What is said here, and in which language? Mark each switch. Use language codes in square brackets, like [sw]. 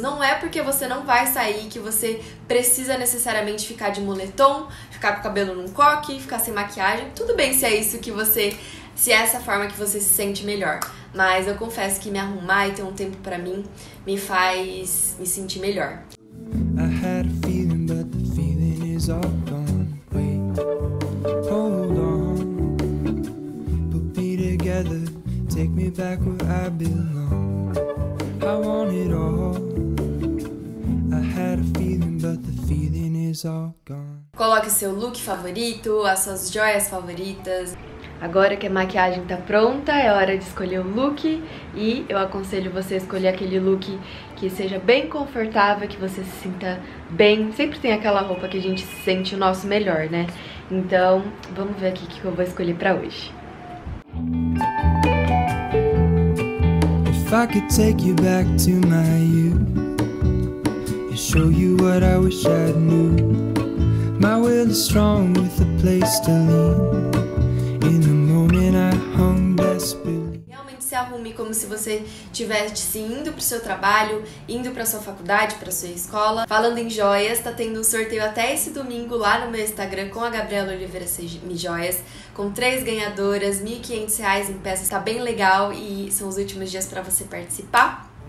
[pt] Não é porque você não vai sair que você precisa necessariamente ficar de moletom, ficar com o cabelo num coque, ficar sem maquiagem. Tudo bem se é isso que você, se é essa forma que você se sente melhor. Mas eu confesso que me arrumar e ter um tempo pra mim me faz me sentir melhor. [en] I had a feeling, but the feeling is all gone. Wait, hold on. We'll be together. Take me back where I belong. I want it all. I had a feeling, but the feeling is all gone. [pt] Coloque seu look favorito, as suas joias favoritas. Agora que a maquiagem tá pronta, é hora de escolher o look. E eu aconselho você a escolher aquele look que seja bem confortável, que você se sinta bem. Sempre tem aquela roupa que a gente sente o nosso melhor, né? Então, vamos ver aqui o que eu vou escolher pra hoje. [en] I could take you back to my youth and show you what I wish I knew. My will is strong with a place to lean. In the moment I hung desperately. [pt] Realmente se arrume como se você estivesse indo pro seu trabalho, indo pra sua faculdade, pra sua escola. Falando em joias, tá tendo um sorteio até esse domingo lá no meu Instagram com a Gabriela Oliveira Mi Joias. Com três ganhadoras, R$1.500 em peças, tá bem legal e são os últimos dias pra você participar.